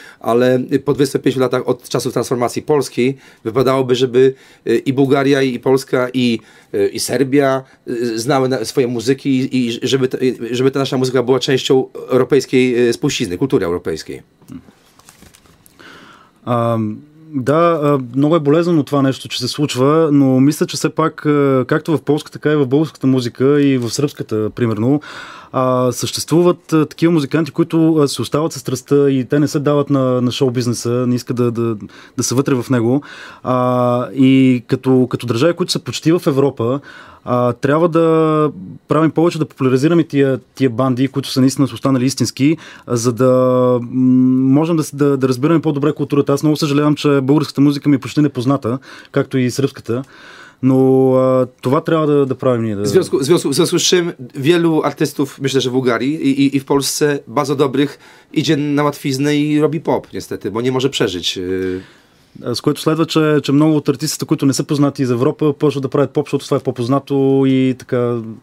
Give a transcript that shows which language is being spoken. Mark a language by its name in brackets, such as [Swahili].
[Polish] Ale po 25 latach od czasów transformacji Polski wypadałoby, żeby i Bułgaria, i Polska, i Serbia znały swoje muzyki i żeby ta nasza muzyka była częścią europejskiej spuścizny, kultury europejskiej. [Bulgarian] Да, много е болезнено това нещо, че се случва, но мисля, че все пак, както в полската, така и в българската музика и в сръбската, примерно, съществуват такива музиканти, които се остават със страстта и те не се дават на шоу-бизнеса, не искат да са вътре в него. И като държави, които са почти в Европа, трябва да правим повече, да популяризираме тия банди, които са наистина останали истински, за да можем да разбираме по-добре културата. Аз много съжалявам, че българската музика ми е почти непозната, както и сръбската. Но това трябва да правим ние. [Polish] Związku z czym wielu artystów, myślę, że w Bułgarii i w Polsce bardzo dobrych idzie na łatwiznę i robi pop, niestety, bo nie może przeżyć. [Bulgarian] С което следва, че много от артистите, които не са познати из Европа, почват да правят поп, защото това е по-познато и така.